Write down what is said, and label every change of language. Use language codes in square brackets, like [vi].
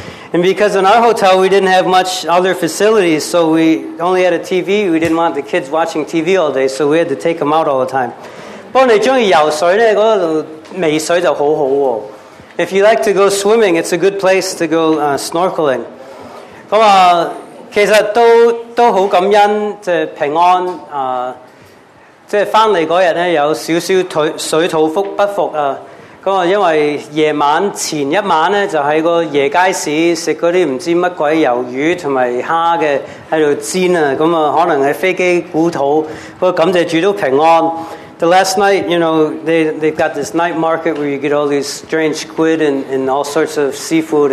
[en] And because in our hotel we didn't have much other facilities, so we only had a TV. We didn't want the kids watching TV all day, so we had to take them out all the time. [yue] 不过你中意游水咧，嗰度微水就好好喎。 [en] If you like to go swimming, it's a good place to go snorkeling. [yue] 咁啊，其实都好感恩，即系平安啊，即系翻嚟嗰日咧有少少水土腹不服啊。咁啊，因为夜晚前一晚咧就喺个夜街市食嗰啲唔知乜鬼鱿鱼同埋虾嘅喺度煎啊，咁啊可能系飞机古肚，不过感谢主都平安。 [en] The last night, you know, they've got this night market where you get all these strange squid and all sorts of seafood.